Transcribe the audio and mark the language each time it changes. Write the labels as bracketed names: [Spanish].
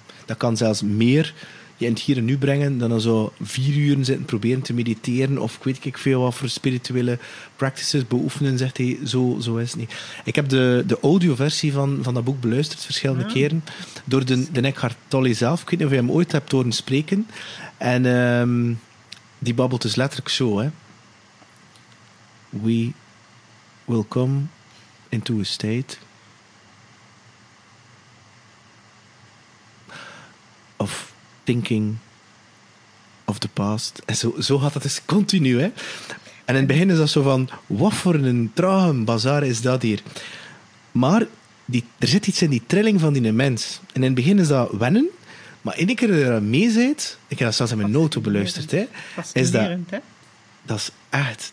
[Dutch] Dat kan zelfs meer je in het hier en nu brengen dan zo 4 uren zitten proberen te mediteren of weet ik veel wat voor spirituele practices beoefenen, zegt hij. Zo is het niet. Ik heb de audioversie van dat boek beluisterd verschillende keren door de Eckhart Tolle zelf. Ik weet niet of je hem ooit hebt horen spreken. En die babbelt dus letterlijk zo, hè. [English] We will come into a state of thinking of the past. [Dutch] En zo gaat dat dus continu, hè. En in het begin is dat zo van, wat voor een trage bazaar is dat hier. Maar er zit iets in die trilling van die mens. En in het begin is dat wennen. Maar één keer dat je er aan mee bent, ik heb dat zelfs in mijn noten beluisterd, hè, is dat... Dat is echt...